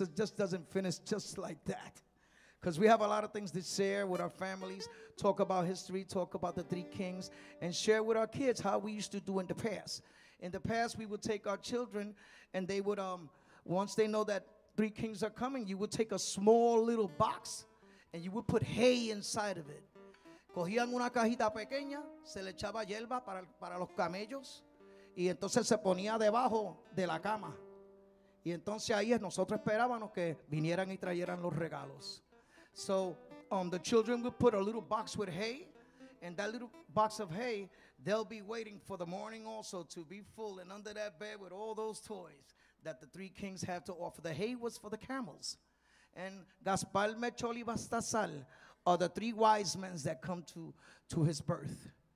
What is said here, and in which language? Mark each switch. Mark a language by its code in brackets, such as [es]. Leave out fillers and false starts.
[en] It just doesn't finish just like that. Because we have a lot of things to share with our families, talk about history, talk about the three kings, and share with our kids how we used to do in the past. In the past, we would take our children, and they would, once they know that three kings are coming, you would take a small little box, and you would put hay inside of it. [es] Cogían una cajita pequeña, se le echaba hierba para los camellos, y entonces se ponía debajo de la cama. Y entonces ahí nosotros esperábamos que vinieran y trajeran los regalos. [en] So the children will put a little box with hay, and that little box of hay, they'll be waiting for the morning also to be full and under that bed with all those toys that the three kings have to offer. The hay was for the camels. And Gaspar, Melchor y Baltasar are the three wise men that come to his birth.